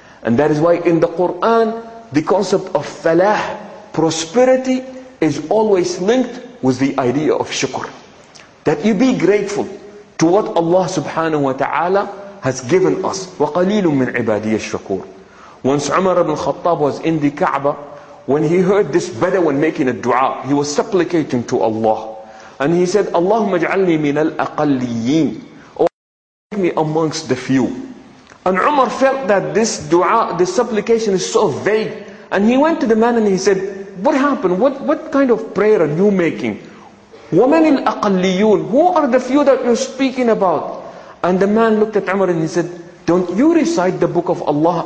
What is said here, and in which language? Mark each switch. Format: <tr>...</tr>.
<en>And that is why in the Quran, the concept of falah, prosperity, is always linked with the idea of shukr. That you be grateful to what Allah subhanahu wa ta'ala has given us.</en> <ar>وَقَلِيلٌ مِّنْ عِبَادِيَ الشَّكُورِ</ar> <en>Once Umar ibn Khattab was in the Kaaba, when he heard this Bedouin making a dua, he was supplicating to Allah. And he said,</en> <ar>اللهم اجعلني من الأقليين.</ar> <en>Oh, make me amongst the few. And Umar felt that this dua, this supplication is so vague. And he went to the man and he said, what happened? What kind of prayer are you making?</en> <ar>ومن الأقليون?</ar> <en>Who are the few that you're speaking about? And the man looked at Umar and he said, don't you recite the book of Allah?</en>